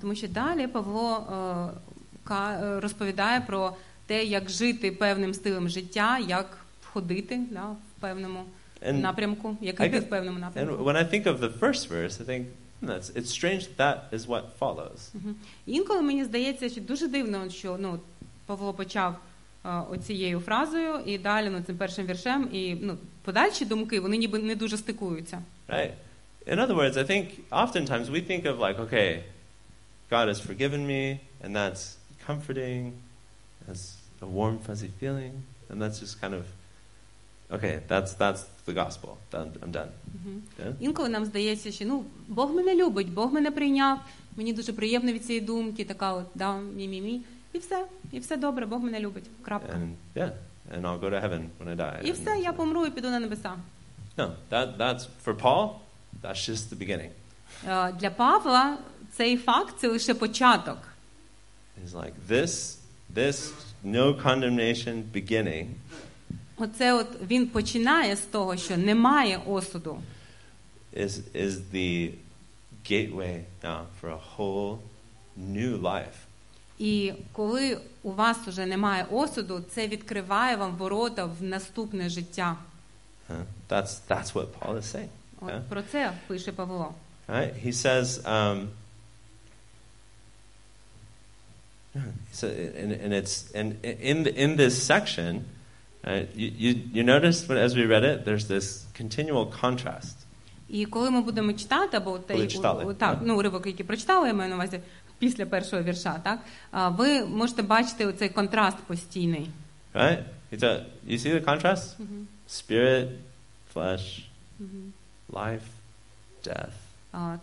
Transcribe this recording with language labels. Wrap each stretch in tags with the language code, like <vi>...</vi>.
<uk>Тому що далі Павло розповідає про те, як жити певним стилем життя, як ходити, да, в певному</uk> <en>and</en> <uk>напрямку, як іти в певному напрямку.</uk> <en>And when I think of the first verse, I think it's strange that is what follows.</en> <uk>Інколи мені здається, що дуже дивно, що, ну, Павло почав оцією фразою і далі, ну, цим першим віршем, і, ну, подальші думки, вони ніби не дуже стикуються.</uk> <en>Right. In other words, I think oftentimes we think of like, okay, God has forgiven me and that's comforting, that's a warm fuzzy feeling, and that's just kind of okay, that's the gospel. I'm done.</en> <uk>Інколи нам здається, що, ну, Бог мене любить, Бог мене прийняв, мені дуже приємно від цієї думки, така от, да, мі-мі-мі, і все добре, Бог мене любить. Крапка.</uk> <en>And, yeah, and I'll go to heaven when I die.</en> <uk>І все, я помру і піду на небеса.</uk> <en>No, that's for Paul. That's just the beginning.</en> <uk>Для Павла цей факт це лише початок.</uk> <en>It's like this no condemnation beginning.</en> <uk>Оце от він починає з того, що немає осуду.</uk> <en>Is the gateway now for a whole new life.</en> <uk>І коли у вас уже немає осуду, це відкриває вам ворота в наступне життя.</uk> <en>That's what Paul is saying. Yeah?</en> <uk>Про це пише Павло.</uk> <en>Right? He says, in this section, you notice when as we read it, there's this continual contrast.</en> <uk>І коли ми будемо читати, або те, так, ну, уривок, який прочитали, я маю на увазі після першого вірша, так? Ви можете бачити цей контраст постійний.</uk> <en>Right? You see the contrast? Mm-hmm. Spirit, flesh, life, death.</en>